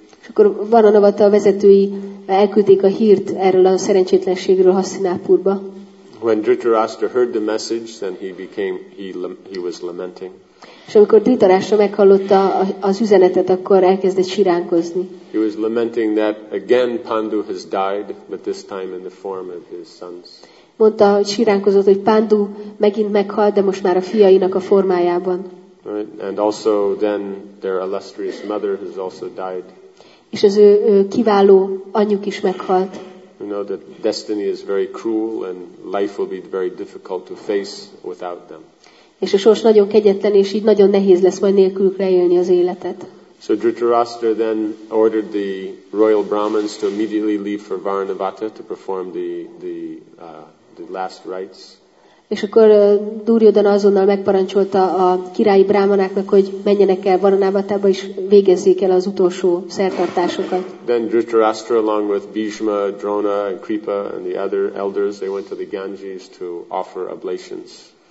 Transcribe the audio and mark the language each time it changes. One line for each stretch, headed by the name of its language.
Hungarian: És akkor Varanavata vezetői elküldték a hírt erről a szerencsétlenségről Hastinapurba.
English: When Dhritarashtra heard the message, then he was lamenting.
Hungarian: És amikor Dhritarashtra meghallotta az üzenetet, akkor elkezdett siránkozni.
English: He was lamenting that again Pandu has died, but this time in the form of his sons.
Hungarian: Mondta, hogy siránkozott, hogy Pandu megint meghalt, de most már a fiainak a formájában.
English: Right. And also then their illustrious mother has also died.
Hungarian: És az ő kiváló anyjuk is meghalt.
English: You know that destiny is very cruel and life will be very difficult to face without them.
Hungarian: És a sors nagyon kegyetlen, és így nagyon nehéz lesz majd nélkülük leélni az életet.
English: So Dhritarashtra then ordered the royal Brahmins to immediately leave for Varanavata to perform the last rites.
Hungarian: És akkor Duryodhana azonnal megparancsolta a királyi brámanáknak, hogy menjenek el Varanavatába, és végezzék el az utolsó szertartásokat.
English: Then Dhritarashtra along with Bhishma, Drona and Kripa and the other elders, they went to the Ganges to offer oblations.